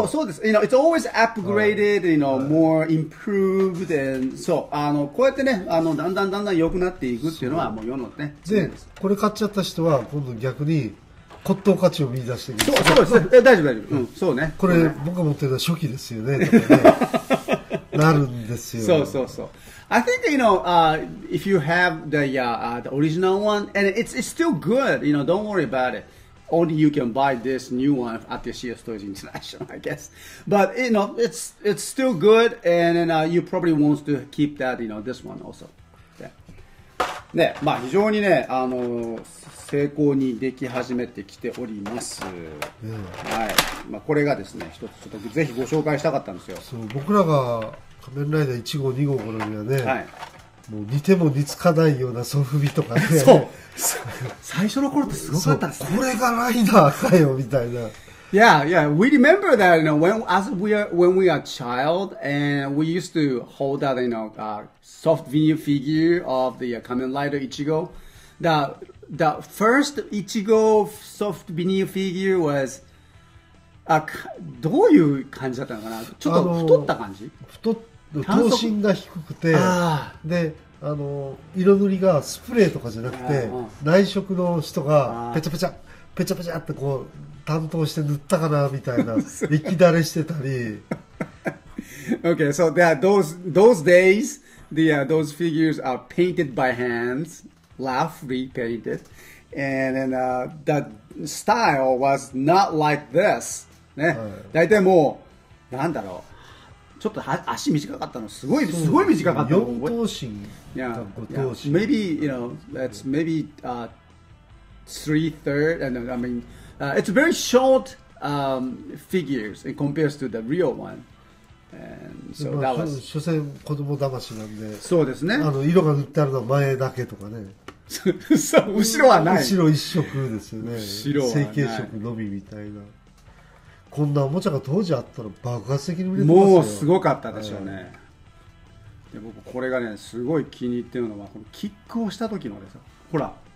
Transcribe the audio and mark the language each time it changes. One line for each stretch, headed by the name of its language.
Japanese: そうそうです。
English: You know, it's always upgraded, you know, more improved, and so,
Japanese: あの、こうやってね、あの、だんだんだんだん良くなっていくっていうのはもう世のね。で、これ買っちゃった人は今度逆に骨董価値を見出していく。そうですね。大丈夫大丈夫。うん、そうね。これ、ね、僕が持ってるのは初期ですよね。ねなるんですよ。そうそうそう。
English: I think, you know, if you have the, the original one, and it's still good, you know, don't worry about it. Only you can buy this new one at the Sea Storage International, I guess. But, you know, it's still good, and, you probably want to keep that, you know, this one also.
Japanese: ね、まあ非常にね、成功にでき始めてきております。はい、まあこれがですね、一つちょっとぜひご紹介したかったんですよ。そう、僕らが仮面ライダー1号2号頃にはね、はい、もう似ても似つかないようなソフビとかね、そう、最初の頃ってすごかったんですね。これがライダーかよみたいな。
English: Yeah, yeah. We remember that, you know, when we are child and we used to hold that, you know, soft vinyl figure of the Kamen Rider Ichigo. The first Ichigo soft vinyl figure was,
Japanese: どういう感じだったのかな？ちょっと太った感じ？等身が低くて、で、あの、色塗りがスプレーとかじゃなくて、内職の人がペチャペチャ、ペチャペチャってこう、担当して塗ったかなみたいな液だれしてたり。
English: Okay, so there are those days, the, those figures are painted by hands, roughly painted, and then, the style was not like this.
Japanese: ね、はい、大体もうなんだろう、ちょっとは足短かったの、すごい、すごい短かったの、 4頭身、
English: Maybe, you know, that's maybe three-third, and I mean, it's a very short figures in compares to the real one. And so that was...
Japanese: 所詮子供騙しなんで、そうですね。あの色が塗ってあるのは前だけとかね。そう、後ろはない。後ろ一色ですよね。後ろはない。成形色のみみたいな。こんなおもちゃが当時あったら爆発的に売れてますよ。もうすごかったでしょうね。はい、で僕これがね、すごい気に入ってるのは、このキックをした時のですよ。ほら。